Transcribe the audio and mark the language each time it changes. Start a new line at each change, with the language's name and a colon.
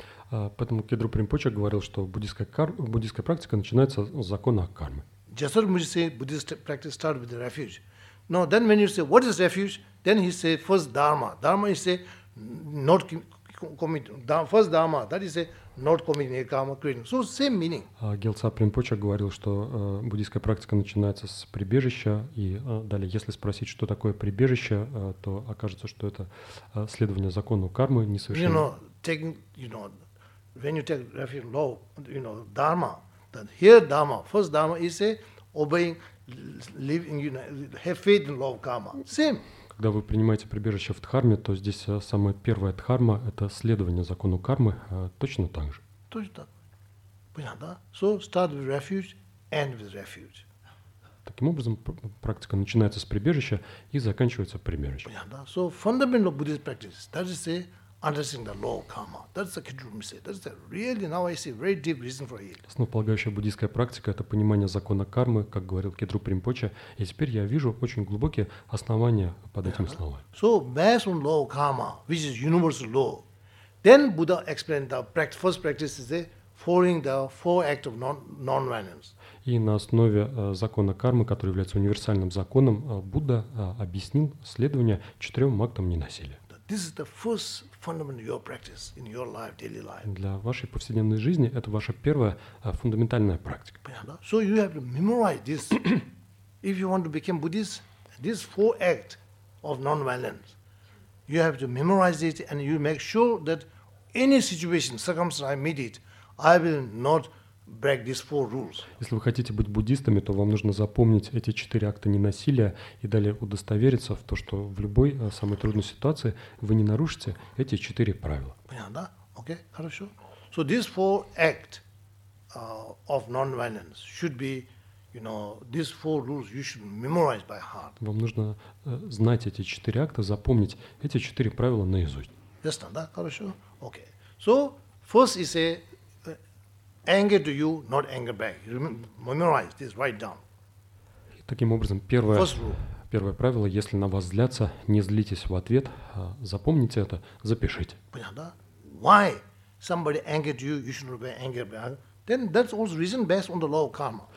Russian: Поэтому Khidru Rinpoche говорил, что буддийская практика начинается с закона кармы.
English: Jasar Muji say Buddhist practice start with the refuge. No, then when you say what is refuge, then he say first dharma. Dharma is say not commit. First dharma, that is say not committing karma creating. So same meaning.
Russian: Гелса Примпоча говорил, что буддийская практика начинается с прибежища, и далее, если спросить, что такое прибежище, то окажется, что это следование закону кармы несовершенно.
English: You know, when you take refuge law, you know, dharma, that here dharma, first dharma is say obeying, living, you know, have faith in law of karma. Same.
Russian: Когда вы принимаете прибежище в дхарме, то здесь самая первая дхарма – это следование закону кармы, точно так же. Точно так. Понятно, да?
English: So start with refuge, end with refuge.
Russian: Таким образом, практика начинается с прибежища и заканчивается прибежищем. Понятно, да?
English: So fundamental Buddhist practice, that is to say, understanding the law of karma. That's the Kijumi said. That's the really now I see very deep reason for it.
Russian: Основополагающая буддийская практика — это понимание закона кармы, как говорил Кедру Примпоче, и теперь я вижу очень глубокие основания под этим словом.
English: So based on law of karma, which is universal law, then Buddha explained the practice, first practice is the following the four acts of non-violence.
Russian: И на основе закона кармы, который является универсальным законом, Будда объяснил следование четырем актам ненасилия.
English: This is the first fundamental yoga practice in your life, daily life.
Russian: Для вашей повседневной жизни это ваша первая фундаментальная практика.
English: So you have to memorize this if you want to become Buddhist. These four acts of non-violence, you have to memorize it, and you make sure that any situation, circumstance, I meet it, I will not break these four rules.
Russian: Если вы хотите быть буддистами, то вам нужно запомнить эти четыре акта ненасилия и далее удостовериться в том, что в любой самой трудной ситуации вы не нарушите эти четыре правила. Понятно, да? Окей, хорошо.
English: So these four acts of non-violence should be, you know, these four rules you should memorize by heart.
Russian: Вам нужно знать эти четыре акта, запомнить эти четыре правила наизусть. Ясно, да? Хорошо. Окей.
English: So first is a anger to you, not anger back. Memorize this, write down.
Russian: Таким образом, первое правило, если на вас злятся, не злитесь в ответ, запомните это, запишите. Понятно, да?
English: Why somebody angered you, you should not be angered back. Then that's also reason based on the law of karma.